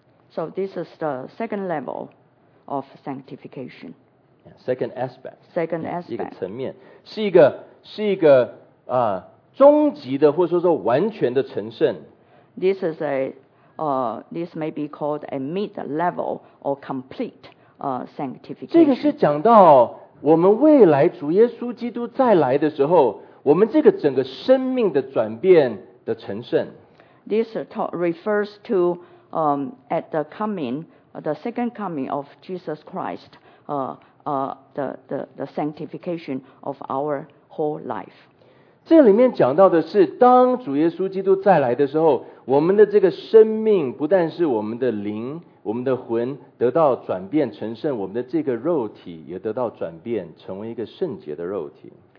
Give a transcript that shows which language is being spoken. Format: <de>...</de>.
<en>So this is the second level of sanctification. Second aspect. Second aspect.</en> <zh>一个层面是一个、啊终极的或者说完全的成圣</zh> <en>This is a, this may be called a mid-level or complete sanctification</en> <zh>这个是讲到我们未来主耶稣基督再来的时候我们这个整个生命的转变的成圣</zh> <en>This refers to at the coming, the second coming of Jesus Christ the sanctification of our whole life</en> <zh>这里面讲到的是当主耶稣基督再来的时候我们的这个生命不但是我们的灵我们的魂得到转变成圣我们的这个肉体也得到转变成为一个圣洁的肉体</zh>